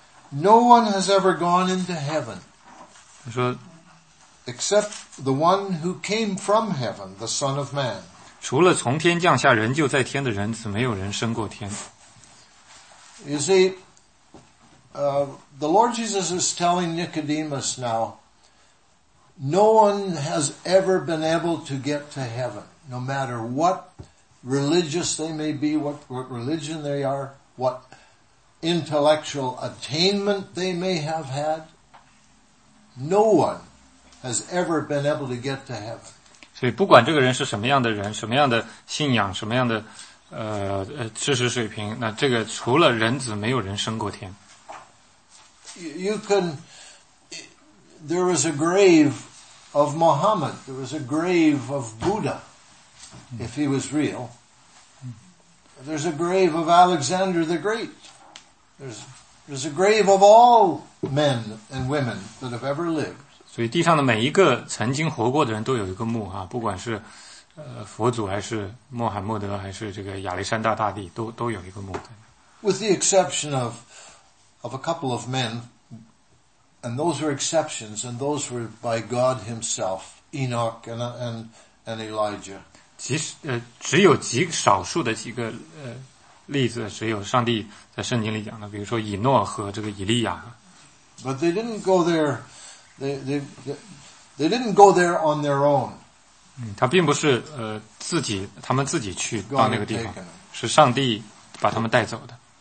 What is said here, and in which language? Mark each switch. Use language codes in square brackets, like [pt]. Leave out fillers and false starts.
[en] No one has ever gone into heaven. [zh] 他说 [en] except the one who came from heaven, the Son of Man. [zh] 除了从天降下人就在天的人，怎没有人升过天。 [en] You see, the Lord Jesus is telling Nicodemus now, no one has ever been able to get to heaven. No matter what religious they may be, what religion they are, what intellectual attainment they may have had, no one has ever been able to get to heaven. [zh] 所以不管这个人是什么样的人，什么样的信仰，什么样的知识水平，那这个除了人子，没有人升过天。 [en] There was a grave of Muhammad. There was a grave of Buddha. If he was real, there's a grave of Alexander the Great. There's a grave of all men and women that have ever lived. [zh] 所以地上的每一个曾经活过的人都有一个墓啊，不管是佛祖还是穆罕默德还是这个亚历山大大帝，都有一个墓。 [en] With the exception of a couple of men, and those were exceptions, and those were by God Himself, Enoch and Elijah. [zh] 只有极少数的几个例子，只有上帝在圣经里讲的，比如说以诺和这个以利亚。 [en] But they didn't go there, they didn't go there on their own. [zh] 他并不是他们自己去到那个地方，是上帝把他们带走的。